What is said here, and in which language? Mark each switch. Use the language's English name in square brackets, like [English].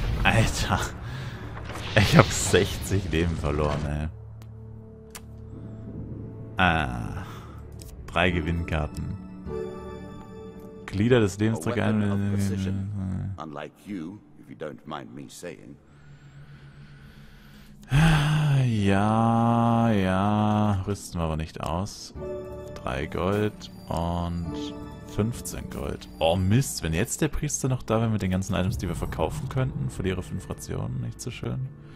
[German] Alter, ich habe 60 Leben verloren, ey. Ah, 3 Gewinnkarten. Glieder des Lebens drück ein. [English] Unlike you, if you don't mind me saying. [German] Ja, rüsten wir aber nicht aus. 3 Gold und 15 Gold. Oh Mist, wenn jetzt der Priester noch da wäre mit den ganzen Items, die wir verkaufen könnten, verliere 5 Rationen, nicht so schön.